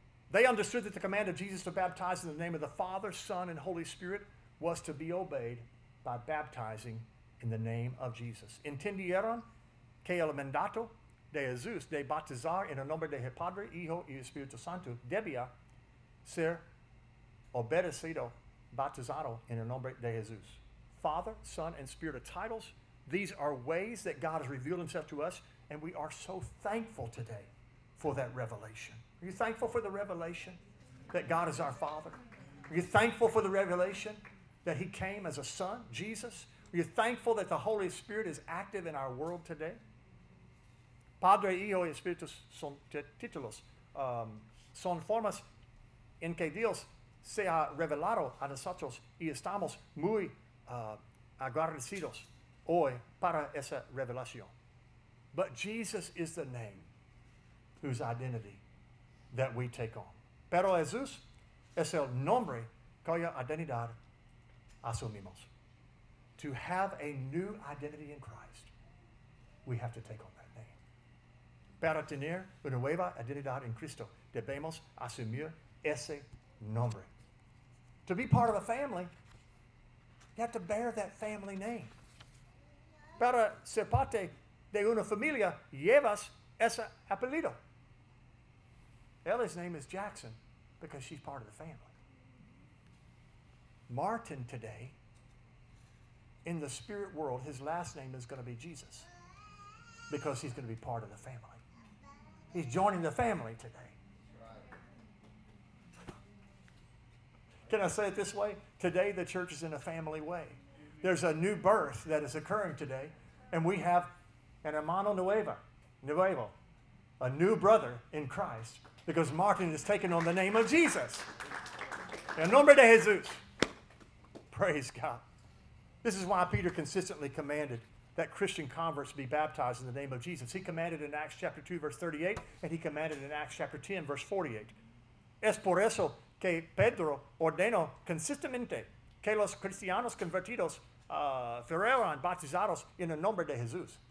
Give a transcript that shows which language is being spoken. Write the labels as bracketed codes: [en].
[en] They understood that the command of Jesus to baptize in the name of the Father, Son, and Holy Spirit was to be obeyed by baptizing in the name of Jesus. [es] Entendieron que el mandato de Jesús de bautizar en el nombre de el Padre, Hijo y Espíritu Santo debía ser obedecido, bautizado en el nombre de Jesús. [en] Father, Son, and Spirit are titles. These are ways that God has revealed himself to us, and we are so thankful today for that revelation? Are you thankful for the revelation that God is our Father? Are you thankful for the revelation that He came as a Son, Jesus? Are you thankful that the Holy Spirit is active in our world today? [es] Padre, Hijo y Espíritu son títulos. Son formas en que Dios se ha revelado a nosotros y estamos muy agradecidos hoy para esa revelación. [en] But Jesus is the name whose identity that we take on. [es] Pero Jesús es el nombre cuya identidad asumimos. [en] To have a new identity in Christ, we have to take on that name. [es] Para tener una nueva identidad en Cristo, debemos asumir ese nombre. [en] To be part of a family, you have to bear that family name. [es] Para ser parte de una familia, llevas ese apellido. [en] Ellie's name is Jackson because she's part of the family. Martin today, in the spirit world, his last name is going to be Jesus because he's going to be part of the family. He's joining the family today. Can I say it this way? Today the church is in a family way. There's a new birth that is occurring today, and we have an [es] hermano nuevo, [en] a new brother in Christ, because Martin is taking on the name of Jesus. [es] En nombre de Jesús. [en] Praise God. This is why Peter consistently commanded that Christian converts be baptized in the name of Jesus. He commanded in Acts chapter 2, verse 38, and he commanded in Acts chapter 10, verse 48. Es por eso que Pedro ordenó consistentemente que los cristianos convertidos fueran bautizados en el nombre de Jesús.